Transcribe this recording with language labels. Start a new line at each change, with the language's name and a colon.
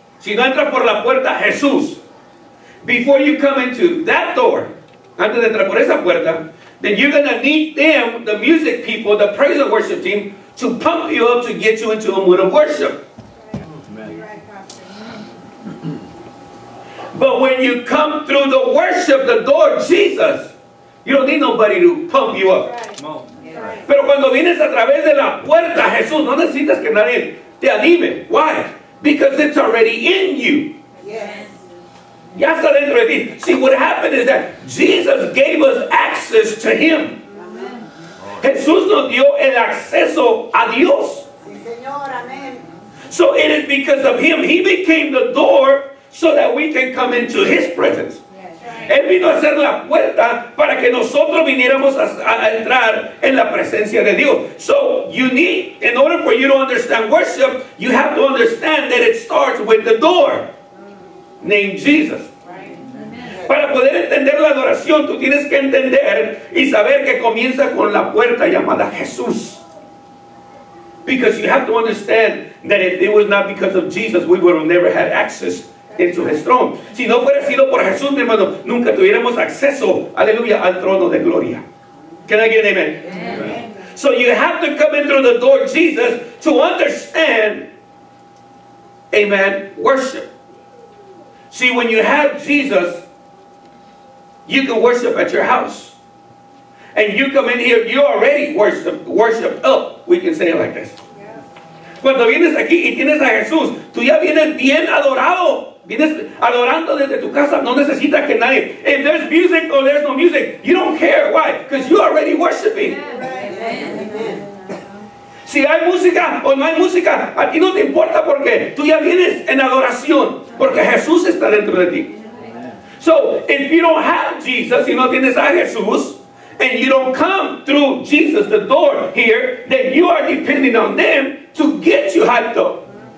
Spanish: Si no entra por la puerta, Jesús.
English: Before you come into that door,
Spanish: antes de entrar por esa puerta,
English: then you're gonna need them, the music people, the praise and worship team, to pump you up to get you into a mood of worship. But when you come through the worship, the door, Jesus, you don't need nobody to pump you up.
Spanish: Pero cuando vienes a través de la puerta, Jesús, no necesitas que nadie te anime.
English: Why? Because it's already in you.
Spanish: Ya está dentro de ti.
English: See, what happened is that Jesus gave us access to Him.
Spanish: Jesús nos dio el acceso a Dios. Sí, Señor, amén.
English: So it is because of Him. He became the door so that we can come into His presence.
Spanish: Él vino a ser la puerta para que nosotros viniéramos a entrar en la presencia de Dios.
English: So you need, in order for you to understand worship, you have to understand that it starts with the door, named Jesus.
Spanish: Para poder entender la adoración, tú tienes que entender y saber que comienza con la puerta llamada Jesús.
English: Because you have to understand that if it was not because of Jesus, we would have never had access into His throne.
Spanish: Si no fuera sido por Jesús, mi hermano, nunca tuviéramos acceso, aleluya, al trono de gloria.
English: Can I get an amen? Amen. So you have to come in through the door, Jesus, to understand, amen, worship. See, when you have Jesus, you can worship at your house. And you come in here, you already worship up. We can say it like this. Yeah.
Spanish: Cuando vienes aquí y tienes a Jesús, tú ya vienes bien adorado. Vienes adorando desde tu casa. No necesitas que nadie.
English: If there's music or there's no music, you don't care. Why? Because you're already worshiping. Amen.
Spanish: Si hay música o no hay música, a ti no te importa porque tú ya vienes en adoración. Porque Jesús está dentro de ti.
English: So, if you don't have Jesus,
Spanish: si no tienes a Jesús,
English: and you don't come through Jesus, the door here, then you are depending on them to get you hyped up.